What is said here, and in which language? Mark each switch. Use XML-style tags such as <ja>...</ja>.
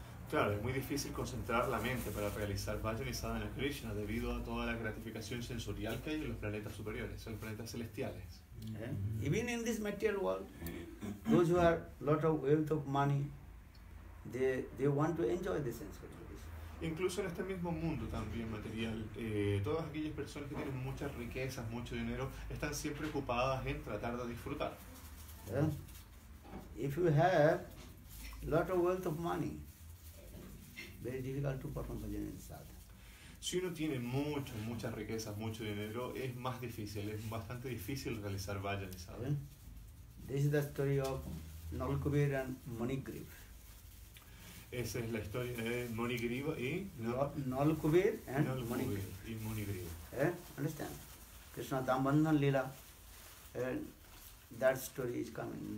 <es>Claro, es muy difícil concentrar la mente para realizar Bhajan y Sadhana Krishna debido a toda la gratificación sensorial que hay en los planetas superiores, en los planetas celestiales.</es> <en>Yeah. Even in this material world, those who have lot of wealth of money, they want to enjoy the sense gratification.</en> <es>Incluso en este mismo mundo también material, todas aquellas personas que tienen muchas riquezas, mucho dinero, están siempre ocupadas en tratar de disfrutar.</es> <en>Yeah. If you have lot of wealth of money, very difficult to perform bhajan in sadhana.</en> <es>Si uno tiene mucho, muchas riquezas, mucho dinero, es más difícil, es bastante difícil realizar bhajan in sadhana.</es> <en>This is the story of Nalkubir and Manigrib.</en> <es>Esa es la historia de Manigrib y</es> <en>Nalkubir and Manigrib. Understand? Krishna Dambandhan Lila, that story is coming.</en>